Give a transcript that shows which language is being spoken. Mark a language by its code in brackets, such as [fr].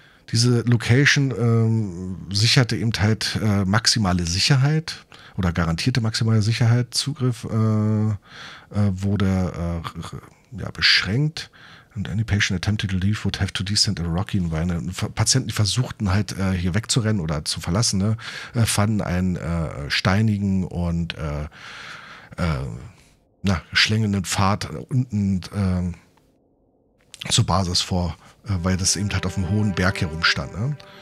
[de] Diese Location sicherte eben halt maximale Sicherheit oder garantierte maximale Sicherheit. Zugriff wurde beschränkt. [en] And any patient attempted to leave would have to descend a rocky environment. [de] Patienten, die versuchten halt hier wegzurennen oder zu verlassen, ne, fanden einen steinigen und schlängelnden Pfad unten zur Basis vor, weil das eben halt auf einem hohen Berg herumstand. Ne?